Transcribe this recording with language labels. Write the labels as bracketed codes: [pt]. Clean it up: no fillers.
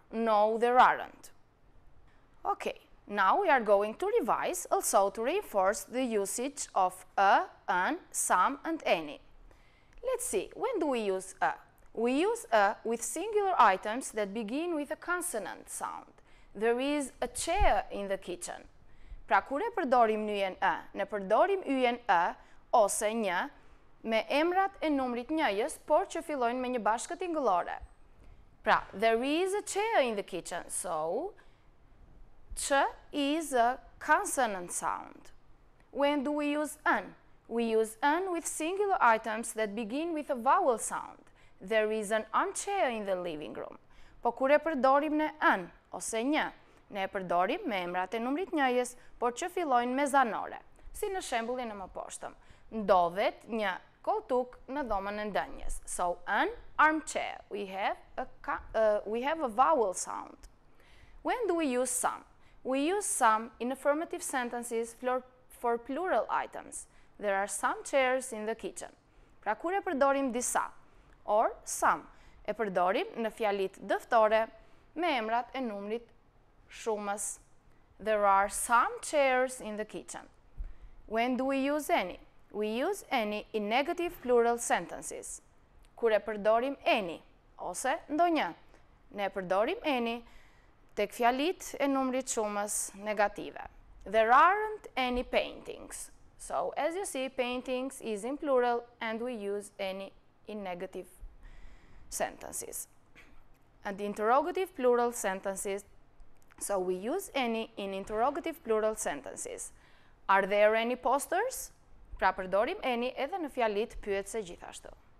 [en] No, there aren't. Okay. Now we are going to revise, also to reinforce the usage of a, an, some, and any. Let's see, when do we use a? We use a with singular items that begin with a consonant sound. There is a chair in the kitchen. [sq] Pra kur e përdorim njën a? Ne përdorim yjen a ose një me emrat e numrit njëjës, por që fillojnë me një bashkë tingëllore. [en] Pra, there is a chair in the kitchen, so Ch is a consonant sound. When do we use an? We use an with singular items that begin with a vowel sound. There is an armchair in the living room. [sq] Po kur e përdorim ne an ose një? Ne e përdorim me emrat e numrit njëjës, por që fillojnë me zanore. Si në shembullin e më poshtëm. Ndodhet një koltuk në dhomën e ndënjes. [en] So an armchair. We have a vowel sound. When do we use some? We use some in affirmative sentences for plural items. There are some chairs in the kitchen. [sq] Pra kur e përdorim disa? [en] Or some. [sq] E përdorim në fjalit dëftore me emrat e numrit shumës. [en] There are some chairs in the kitchen. When do we use any? We use any in negative plural sentences. [sq] Kur e përdorim any? Ose ndonjë? Ne përdorim any tek fjalit e numrit shumës negative. [en] There aren't any paintings. So, as you see, paintings is in plural and we use any in negative sentences. And interrogative plural sentences. So, we use any in interrogative plural sentences. Are there any posters? [sq] Pra përdorim any edhe në fjalit pyetëse gjithashtu.